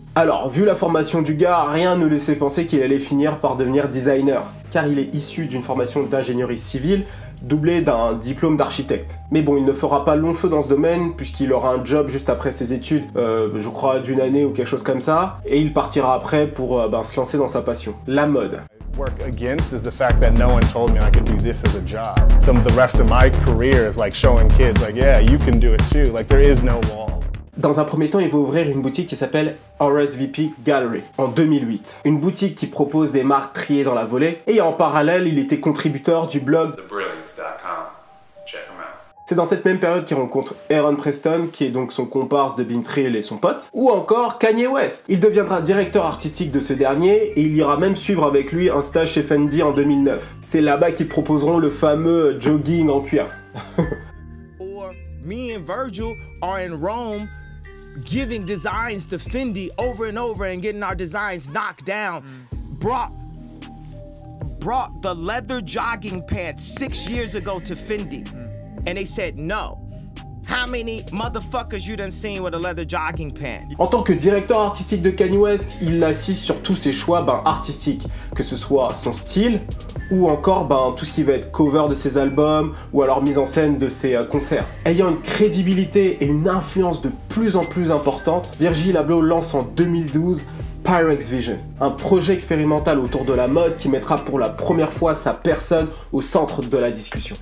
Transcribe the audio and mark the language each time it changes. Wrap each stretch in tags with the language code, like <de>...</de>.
<fr>Alors, vu la formation du gars, rien ne laissait penser qu'il allait finir par devenir designer, car il est issu d'une formation d'ingénierie civile, doublé d'un diplôme d'architecte. Mais bon, il ne fera pas long feu dans ce domaine, puisqu'il aura un job juste après ses études, je crois d'une année ou quelque chose comme ça, et il partira après pour se lancer dans sa passion, la mode.</fr> <en>Work against is the fact that no one told me I could do this as a job. Some of the rest of my career is like showing kids like yeah, you can do it too. Like there is no wall.</en> <fr>Dans un premier temps, il va ouvrir une boutique qui s'appelle RSVP Gallery en 2008. Une boutique qui propose des marques triées dans la volée. Et en parallèle, il était contributeur du blog TheBrilliance.com.</fr> <en>Check them out.</en> <fr>C'est dans cette même période qu'il rencontre Aaron Preston, qui est donc son comparse de Bean Trill et son pote, ou encore Kanye West. Il deviendra directeur artistique de ce dernier et il ira même suivre avec lui un stage chez Fendi en 2009. C'est là-bas qu'ils proposeront le fameux jogging en cuir.</fr> <en>Me and Virgil are in Rome giving designs to Fendi over and over and getting our designs knocked down. Brought the leather jogging pants 6 years ago to Fendi. And they said no. How many motherfuckers you done seen with a leather jogging pant?</en> <fr>En tant que directeur artistique de Kanye West, il assiste sur tous ses choix artistiques, que ce soit son style ou encore tout ce qui va être cover de ses albums ou alors mise en scène de ses concerts. Ayant une crédibilité et une influence de plus en plus importante, Virgil Abloh lance en 2012 Pyrex Vision, un projet expérimental autour de la mode qui mettra pour la première fois sa personne au centre de la discussion.</fr>